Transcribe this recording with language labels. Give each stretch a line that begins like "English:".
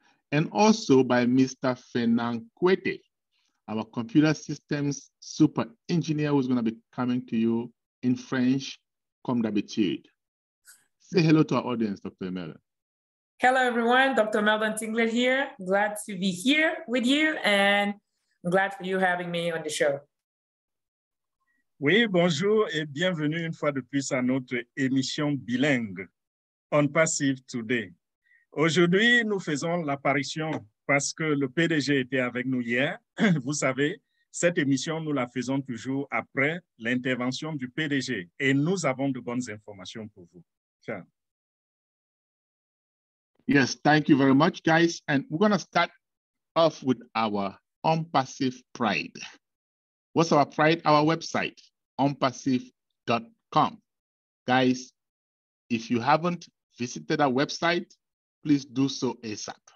English: And also by Mr. Fenang Kwete, our computer systems super engineer, who is going to be coming to you in French,
French: comme d'habitude.
English: Say hello to our audience, Dr. Imelda. Hello, everyone. Dr. Imelda Tinglet here. Glad to be here with you, and I'm glad for you having me on the show.
French: Oui, bonjour et bienvenue une fois de plus à notre émission bilingue, ONPASSIVE Today. Aujourd'hui, nous faisons l'apparition parce que le PDG était avec nous hier. Vous savez, cette émission, nous la faisons toujours après l'intervention du PDG et nous avons de bonnes informations pour vous.
Italian: Ciao.
English: Yes, thank you very much, guys. And we're going to start off with our ONPASSIVE Pride. What's our pride? Our website, ONPASSIVE.com. Guys, if you haven't visited our website, please do so ASAP.